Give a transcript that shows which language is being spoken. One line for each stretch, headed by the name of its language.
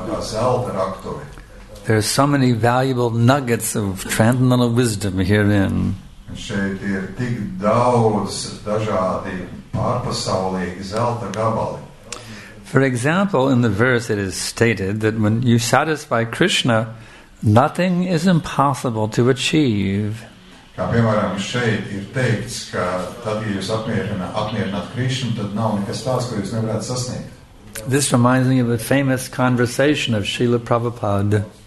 English: There are so many valuable nuggets of transcendental wisdom herein. For example, in the verse it is stated that when you satisfy Krishna, nothing is impossible to achieve.
Latvian: Kā piemēram, šeit ir teikts, ka tad, ja jūs apmierināt Krishnu, tad nav nekas tāds, ko jūs nevarētu sasniegt.
English: This reminds me of a famous conversation of Srila Prabhupada.